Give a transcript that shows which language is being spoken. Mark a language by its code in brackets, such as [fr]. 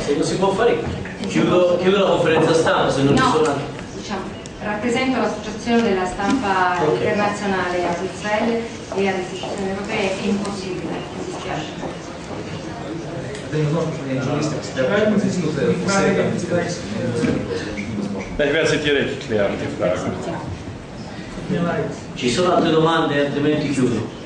[it] Se non si può fare, chiudo la conferenza stampa se non ci sono. Rappresento l'associazione della stampa internazionale a Bruxelles e alle istituzioni europee, è impossibile, mi dispiace. [de] Ich werde sie direkt klären, die Fragen. [it] Ci sono altre domande, altrimenti chiudo.